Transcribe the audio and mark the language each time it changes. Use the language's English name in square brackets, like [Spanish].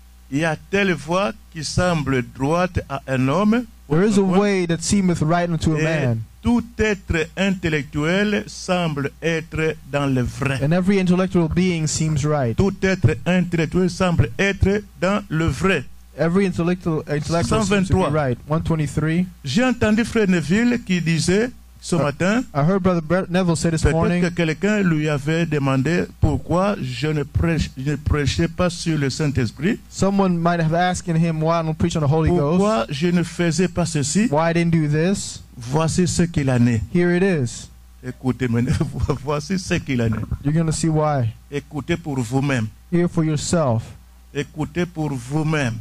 [French] Il y a telle voie qui semble droite à un homme. [English] There is a way that seemeth right unto a man. [French] Tout être intellectuel semble être dans le vrai. [English] And every intellectual being seems right. [French] Tout être intellectuel semble être dans le vrai. [English] Every intellectual seems to be right. 123. [French] J'ai entendu Frère Neville qui disait ce matin. [English] I heard Brother Neville say this morning. [French] Que quelqu'un lui avait demandé pourquoi je ne prêchais pas sur le Saint-Esprit. [English] Someone might have asked him why I don't preach on the Holy [French] pourquoi [English] Ghost. [French] Pourquoi je ne faisais pas ceci? [English] Why I didn't do this? [French] Voici ce qu'il en est. [English] Here it is. [French] Écoutez maintenant. Voici ce qu'il en est. [English] You're going to see why. [French] Écoutez pour vous-même. [English] Hear for yourself. [French] Écoutez pour vous-même.